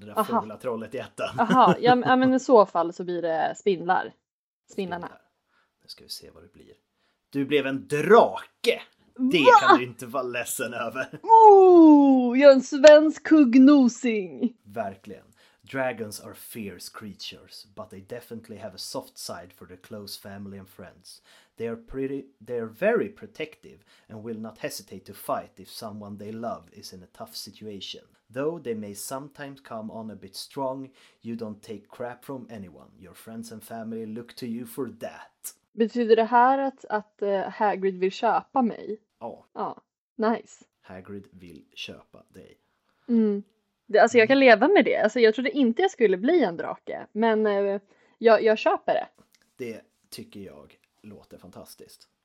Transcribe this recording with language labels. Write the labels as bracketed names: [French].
[Swedish] Det där fula trollet i ettan. Aha, ja, men i så fall så blir det spindlar. Spindlarna. Nu ska vi se vad det blir. Du blev en drake. Det kan du inte vara ledsen över. Oh, jag är en svensk kuggnosing. Verkligen. [English] Dragons are fierce creatures, but they definitely have a soft side for their close family and friends. They are very protective and will not hesitate to fight if someone they love is in a tough situation. Though they may sometimes come on a bit strong, you don't take crap from anyone. Your friends and family look to you for that. [Swedish] Betyder det här att Hagrid vill köpa mig? Ja. Ja, nice. Hagrid vill köpa dig. Mm. Alltså jag kan leva med det. Alltså jag trodde inte jag skulle bli en drake. Men jag köper det. Det tycker jag låter fantastiskt.